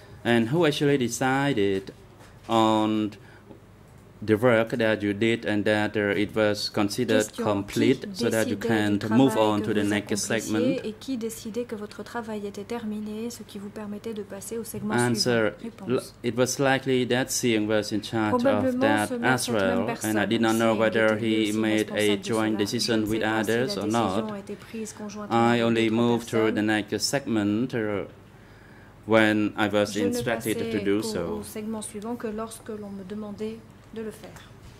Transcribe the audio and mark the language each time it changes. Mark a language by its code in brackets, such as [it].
[en] And who actually decided on the work that you did and that it was considered complete so that you can move on to the next segment? [fr] Et qui décidait que votre travail était terminé, ce qui vous permettait de passer au segment [en] answer, [fr] suivant? [en] It was likely that Seang was in charge of that as well, and I did not know whether he made a joint decision with others or not. I only moved to the next segment when I was instructed to do so. [fr] Je ne passais au segment suivant que lorsque l'on me demandait de le faire.